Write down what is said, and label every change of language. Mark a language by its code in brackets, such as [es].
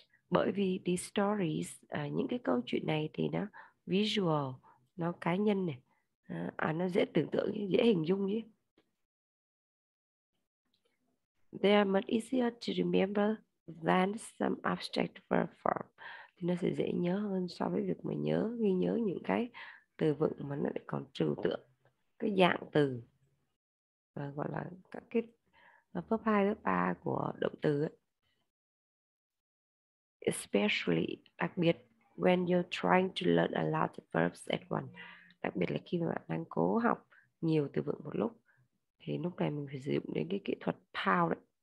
[vi] Bởi vì [en] these stories, [vi] những cái câu chuyện này thì nó visual, nó cá nhân này, nó dễ tưởng tượng, dễ hình dung chứ. [en] They are much easier to remember than some abstract verb form. [vi] Nó sẽ dễ nhớ hơn so với việc mà nhớ ghi nhớ những cái từ vựng mà nó lại còn trừu tượng, cái dạng từ, và gọi là các cái phép hai phép ba của động từ ấy. [en] Especially, [vi] đặc biệt, [en] when you're trying to learn a lot of verbs at once, [vi] đặc biệt là khi mà bạn đang cố học nhiều từ vựng một lúc, thì lúc này mình phải sử dụng đến cái kỹ thuật POW đấy.